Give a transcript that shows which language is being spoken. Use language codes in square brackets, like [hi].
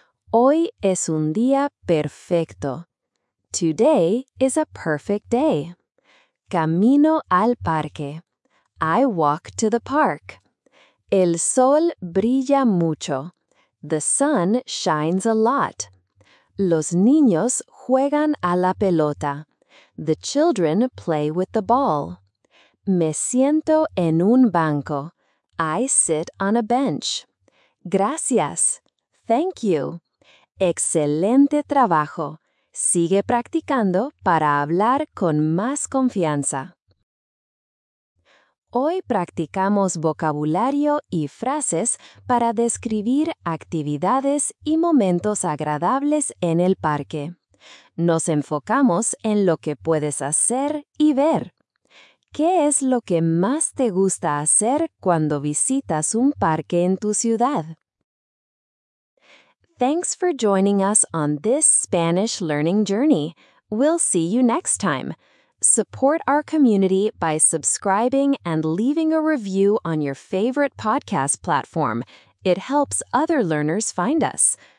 [es] Hoy es un día perfecto. [en] Today is a perfect day. [es] Camino al parque. [en] I walk to the park. [es] El sol brilla mucho. [en] The sun shines a lot. [es] Los niños juegan a la pelota. [en] The children play with the ball. [es] Me siento en un banco. [en] I sit on a bench. Gracias. Thank you. [es] ¡Excelente trabajo! Sigue practicando para hablar con más confianza. Hoy practicamos vocabulario y frases para describir actividades y momentos agradables en el parque. Nos enfocamos en lo que puedes hacer y ver. ¿Qué es lo que más te gusta hacer cuando visitas un parque en tu ciudad? [en] Thanks for joining us on this Spanish learning journey. We'll see you next time. Support our community by subscribing and leaving a review on your favorite podcast platform. It helps other learners find us.